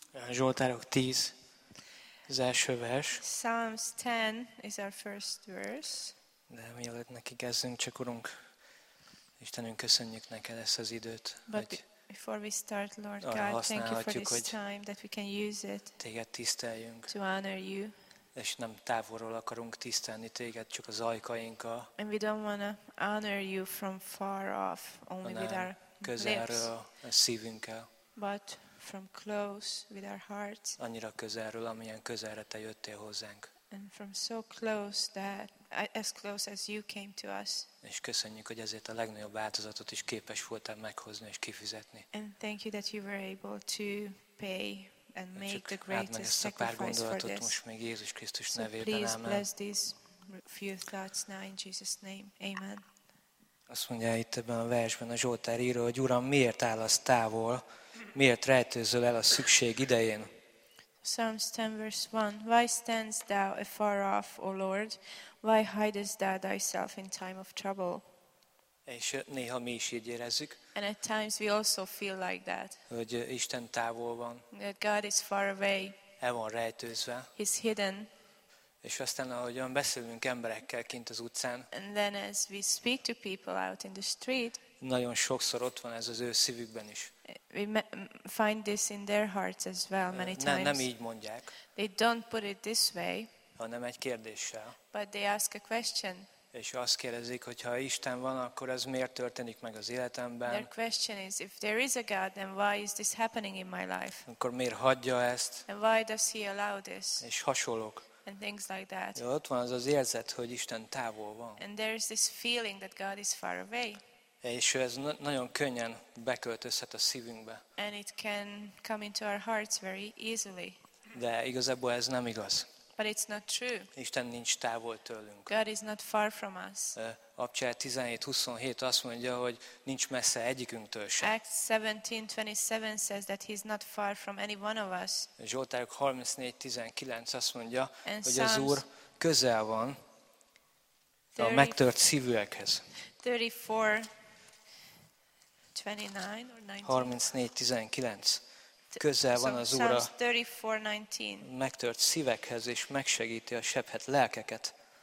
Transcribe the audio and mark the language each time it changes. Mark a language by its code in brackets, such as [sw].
[hu] Zsoltárok 10, az első vers. [en] Psalms 10 is our first verse. [hu] De mielőtt nekikezdünk, csak Urunk, Istenünk, köszönjük neked ezt az időt. [en] Before we start, Lord God, thank you for this time that we can use it. [hu] Téged tiszteljünk. [en] To honor you. [hu] És nem távolról akarunk tisztelni téged, csak az ajkainkkal. [en] And we don't want to honor you from far off, only with our lips. [hu] Közelről, a szívünkkel. [en] But from close, with our hearts. [hu] Annyira közelről, amilyen közelre te jöttél hozzánk. [en] And from so close that as close as you came to us. [hu] És köszönjük, hogy ezért a legnagyobb változatot is képes voltál meghozni és kifizetni. [en] And thank you that you were able to pay and make the greatest sacrifice for this. [hu] Most még Jézus Krisztus [en] so [hu] nevében. [en] Please bless these few thoughts now in Jesus' name. Amen. [hu] Azt mondja itt ebben a versben a Zsoltár író, hogy Uram, miért állasz távol, miért rejtőzöl el a szükség idején? [en] Psalms 10 verse 1. Why standst thou afar off, O Lord? Why hidest thou thyself in time of trouble? [hu] És néha mi is így érezzük. [en] And at times we also feel like that. [hu] Hogy Isten távol van. [en] That God is far away. [hu] El van rejtőzve. [en] He's hidden. [hu] És aztán, ahogy beszélünk emberekkel kint az utcán. [en] And then as we speak to people out in the street. [hu] Nagyon sokszor ott van ez az ő szívükben is. [en] We find this in their hearts as well many times. [hu] Nem így mondják. [en] They don't put it this way. [hu] hanem egy kérdéssel. [en] But they ask a question. [hu] És azt kérdezik, hogy ha Isten van, akkor ez miért történik meg az életemben? [en] Their question is, if there is a God, then why is this happening in my life? [hu] Akkor miért hagyja ezt? [en] And why does he allow this? [hu] És hasonlók. [en] And things like that. [hu] De ott van az az érzet, hogy Isten távol van. [en] And there is this feeling that God is far away. [hu] És ez nagyon könnyen beköltözhet a szívünkbe. [en] And it can come into our hearts very easily. [hu] De igazából ez nem igaz. [en] But it's not true. [hu] Isten nincs távol tőlünk. [en] God is not far from us. [hu] Apcsel 17:27 azt mondja, hogy nincs messze egyikünktől sem. [en] Acts 17:27 says that he's not far from any one of us. [hu] Zsoltárok 34:19 azt mondja, hogy az Úr közel van a megtört szívűekhez. 34:19 közel van az Úr a megtört szívekhez, és megsegíti a sebhet lelkeket.